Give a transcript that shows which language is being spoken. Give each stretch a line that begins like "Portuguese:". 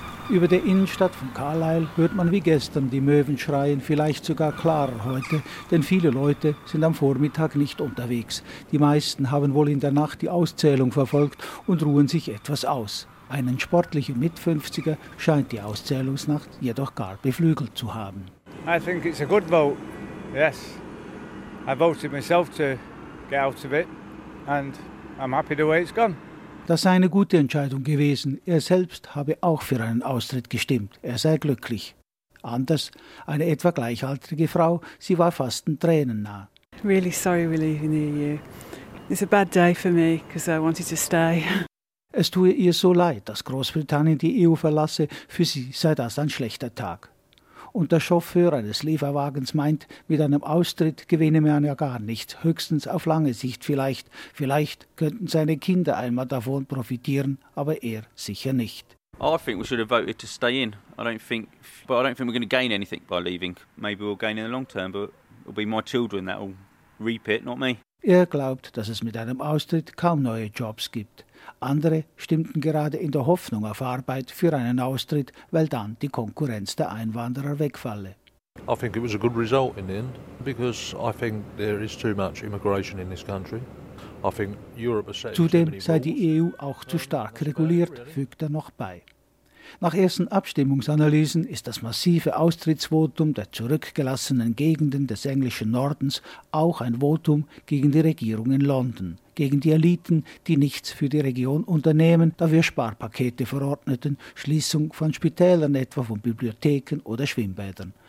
German: Über der Innenstadt von Carlisle hört man wie gestern die Möwen schreien, vielleicht sogar klarer heute, denn viele Leute sind am Vormittag nicht unterwegs. Die meisten haben wohl in der Nacht die Auszählung verfolgt und ruhen sich etwas aus. Einen sportlichen Mitfünfziger scheint die Auszählungsnacht jedoch gar beflügelt zu haben.
English: I think it's a good vote, yes. I voted myself to get out of it and I'm happy the way it's gone.
German: Das sei eine gute Entscheidung gewesen. Er selbst habe auch für einen Austritt gestimmt. Er sei glücklich. Anders, eine etwa gleichaltrige Frau, sie war fast in Tränen nah.
English: Really sorry we're leaving the EU. It's a bad day for me, because I wanted to stay.
German: Es tue ihr so leid, dass Großbritannien die EU verlasse. Für sie sei das ein schlechter Tag. Und der Chauffeur eines Lieferwagens meint, mit einem Austritt gewinne man ja gar nichts, höchstens auf lange Sicht vielleicht. Vielleicht könnten seine Kinder einmal davon profitieren, aber er sicher nicht.
English: Oh, I think we should have voted to stay in. I don't think we're going to gain anything by leaving. Maybe we'll gain in the long term, but it'll be my children that will reap it, not me.
German: Er glaubt, dass es mit einem Austritt kaum neue Jobs gibt. Andere stimmten gerade in der Hoffnung auf Arbeit für einen Austritt, weil dann die Konkurrenz der Einwanderer wegfalle.
English: I think it was a good result in the end, because I think there is too much immigration in this country. I think Europe has set.
German: Zudem sei die EU auch zu stark reguliert, fügt er noch bei. Nach ersten Abstimmungsanalysen ist das massive Austrittsvotum der zurückgelassenen Gegenden des englischen Nordens auch ein Votum gegen die Regierung in London, gegen die Eliten, die nichts für die Region unternehmen, da wir Sparpakete verordneten, Schließung von Spitälern etwa, von Bibliotheken oder Schwimmbädern.